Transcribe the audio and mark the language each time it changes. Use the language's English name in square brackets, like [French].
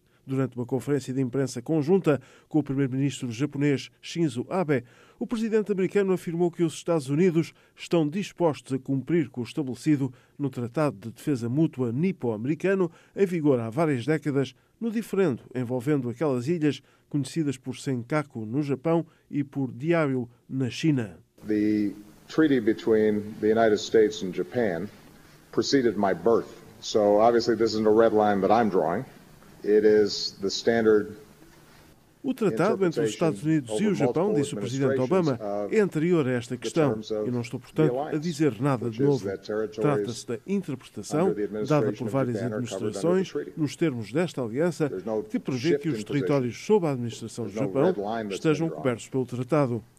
[Portuguese] Durante uma conferência de imprensa conjunta com o primeiro-ministro japonês Shinzo Abe, o presidente americano afirmou que os Estados Unidos estão dispostos a cumprir com o estabelecido no Tratado de Defesa Mútua Nipo-Americano, em vigor há várias décadas, no diferendo envolvendo aquelas ilhas conhecidas por Senkaku no Japão e por Diaoyu na China. [English] The treaty between the United States and Japan preceded my birth, so obviously this isn't a red line that I'm drawing. It is the standard. [Portuguese] O tratado entre os Estados Unidos e o Japão, disse o presidente Obama, é anterior a esta questão e não estou, portanto, a dizer nada de novo. Trata-se da interpretação dada por várias administrações nos termos desta aliança que prevê que os territórios sob a administração do Japão estejam cobertos pelo tratado.